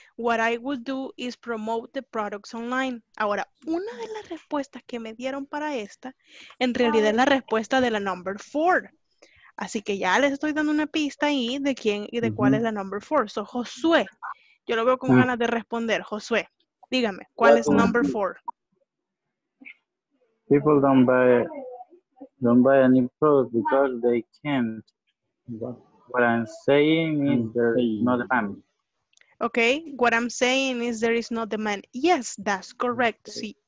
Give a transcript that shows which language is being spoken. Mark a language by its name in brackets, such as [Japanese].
[English] What I would do is promote the products online. [Spanish] Ahora, una de las respuestas que me dieron para esta, en realidad es la respuesta de la [English] number four. [Spanish] Así que ya les estoy dando una pista ahí de quién y de cuál es la [English] number four. [Spanish] So, Josué, yo lo veo con ganas de responder. Josué, dígame, ¿cuál es [English] number four? People don't buy any products because they can't. What I'm saying is there's no demand. Okay, what I'm saying is there is no demand. Yes, that's correct. Okay. Sí,